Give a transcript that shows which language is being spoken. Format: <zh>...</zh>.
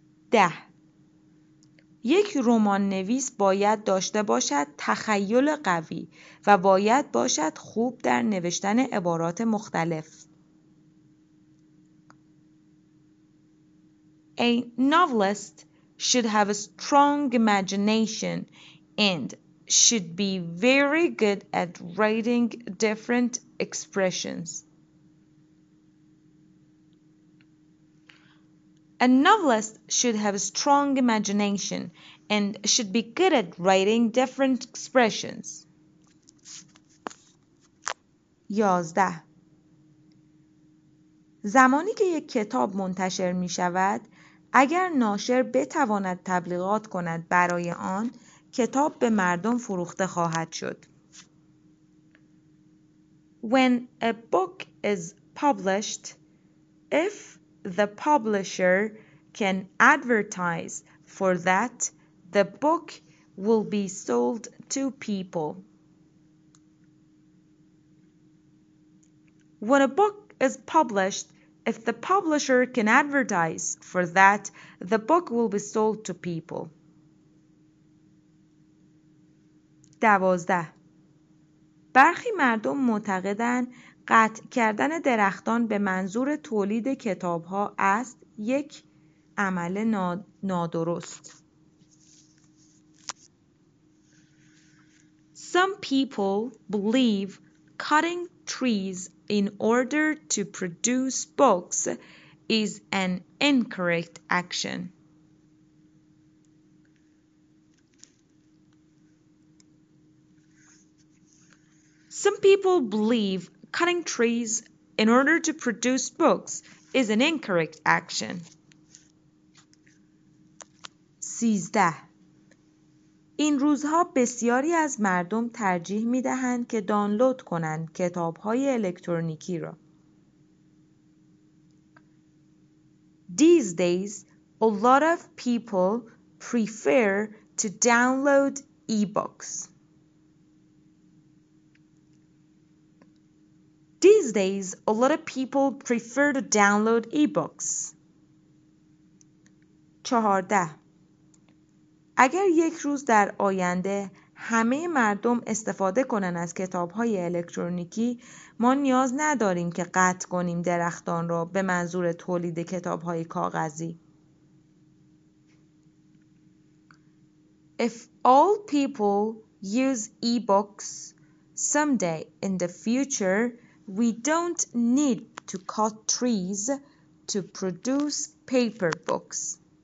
<fa>ده یک رمان نویس باید داشته باشد تخیل قوی و باید باشد خوب در نوشتن عبارات مختلف.</fa> <en>A novelist should have a strong imagination and should be very good at writing different expressions. A novelist should have a strong imagination and should be good at writing different expressions. 11.</en> <fa>زمانی که یک کتاب منتشر می شود، اگر ناشر بتواند تبلیغات کند برای آن، کتاب به مردم فروخته خواهد شد.</fa> <en>When a book is published, if the publisher can advertise for that, the book will be sold to people. When a book is published, if the publisher can advertise for that, the book will be sold to people. 12.</en> <fa>برخی مردم معتقدند قطع کردن درختان به منظور تولید کتاب‌ها است یک عمل نادرست.</fa> <en>Some people believe cutting trees in order to produce books is an incorrect action. Some people believe cutting trees in order to produce books is an incorrect action. 13.</en> <fa>این روزها بسیاری از مردم ترجیح می‌دهند که دانلود کنند کتاب‌های الکترونیکی را.</fa> <en>These days, a lot of people prefer to download e-books. These days, a lot of people prefer to download e-books. 14.</en> <fa>اگر یک روز در آینده همه مردم استفاده کنند از کتاب‌های الکترونیکی، ما نیاز نداریم که قطع کنیم درختان را به منظور تولید کتاب‌های کاغذی.</fa> <en>If all people use e-books someday in the future, we don't need to cut trees to produce paper books.</en>